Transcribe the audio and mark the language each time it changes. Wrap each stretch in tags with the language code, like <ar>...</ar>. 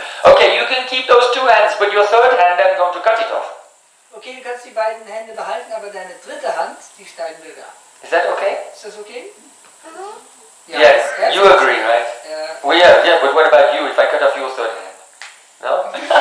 <en>Okay, you can keep those two hands, but your third hand, I'm going to cut it off.</en> <de>Okay, du kannst die beiden Hände behalten, aber deine dritte Hand, die steigen wir da.</de> <en>Is that okay?</en> <de>Ist das okay?</de> <en>Ja. Yes, you agree, right? Well, yeah, but what about you, if I cut off your third hand? No?</en>